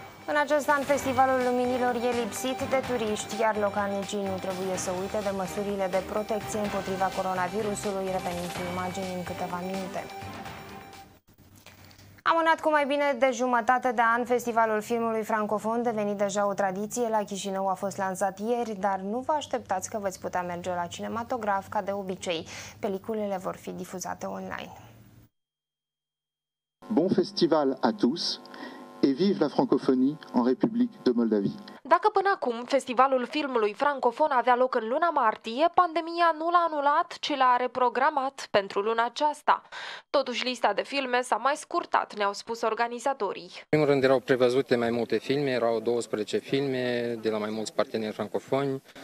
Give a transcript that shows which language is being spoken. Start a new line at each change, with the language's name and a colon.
Romanian: În acest an, Festivalul Luminilor e lipsit de turiști, iar localnicii nu trebuie să uite de măsurile de protecție împotriva coronavirusului, revenind cu imagini în câteva minute. Amânat cu mai bine de jumătate de an, Festivalul Filmului Francofon, devenit deja o tradiție la Chișinău, a fost lansat ieri, dar nu vă așteptați că veți putea merge la cinematograf ca de obicei. Peliculele vor fi difuzate online.
French: Bon festival à tous et vive la francophonie en République de Moldavie.
Romanian: Dacă până acum Festivalul Filmului Francofon avea loc în luna martie, pandemia nu l-a anulat, ci l-a reprogramat pentru luna aceasta. Totuși, lista de filme s-a mai scurtat, ne-au spus organizatorii. În primul rând, erau prevăzute mai multe filme, erau 12 filme de la mai mulți parteneri francofoni.